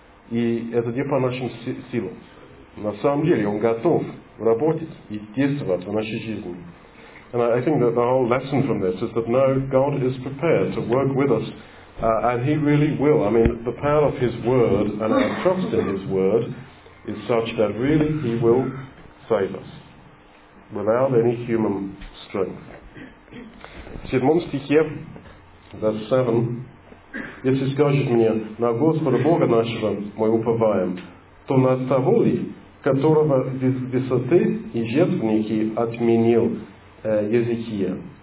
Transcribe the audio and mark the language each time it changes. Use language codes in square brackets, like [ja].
[ru] И это не по нашим силам. На самом деле, Он готов работать и действовать в нашей жизни. [en] And I think that the whole lesson from this is that no, God is prepared to work with us, and he really will. I mean, the power of his word and our trust in his word is such that really he will save us without any human strength. [ru] Седьмом стихе, [en] verse 7, [ru] если скажешь мне, на Господа Бога нашего мы уповаем, то на того ли, которого высоты и жертвенники отменил Езекия?